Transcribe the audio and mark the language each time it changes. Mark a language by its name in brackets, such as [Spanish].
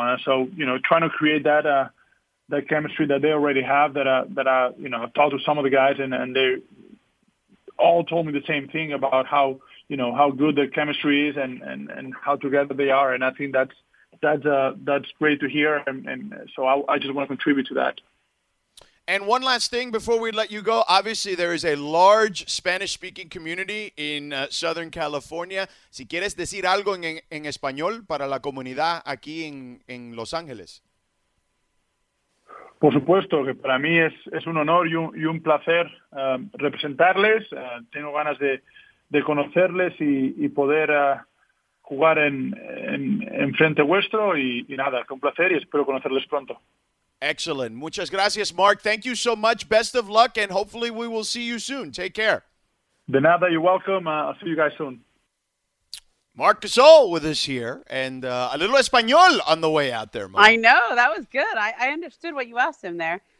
[English] And so, you know, trying to create that chemistry that they already have, that I, you know, I've talked to some of the guys, and they all told me the same thing about how, you know, how good the chemistry is and how together they are. And I think that's great to hear. And so I just want to contribute to that. And one last thing before we let you go, obviously there is a large Spanish speaking community in Southern California. [Spanish] Si quieres decir algo en español para la comunidad aquí en Los Angeles. Por supuesto que para mí es un honor y un placer representarles. Tengo ganas de conocerles y poder jugar en frente vuestro y nada, con placer y espero conocerles pronto. [English] Excellent. [Spanish] Muchas gracias, [English] Mark. Thank you so much. Best of luck, and hopefully we will see you soon. Take care. [Spanish] De nada. [English] You're welcome. I'll see you guys soon. Marc Gasol with us here, and a little Espanol on the way out there, Mark. I know. That was good. I understood what you asked him there.